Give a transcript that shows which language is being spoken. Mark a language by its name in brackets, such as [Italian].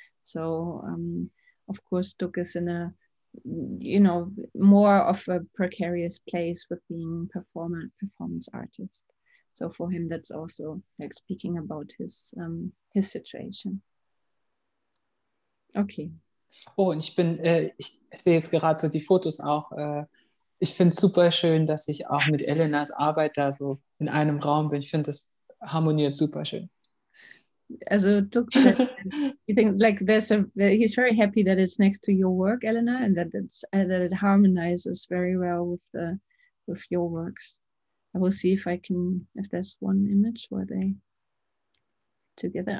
[English] So of course, Duk is in a, you know, more of a precarious place with being performance artist. So for him, that's also like speaking about his situation. Okay. [German] Oh, und ich bin, ich sehe jetzt gerade so die Fotos auch. Ich finde es super schön, dass ich auch mit Elenas Arbeit da so in einem Raum bin. Ich finde, das harmoniert super schön. [English] Also, Duk, you think like there's a, he's very happy that it's next to your work, Elena, and that it's, that it harmonizes very well with your works. I will see if I can, if there's one image where they together.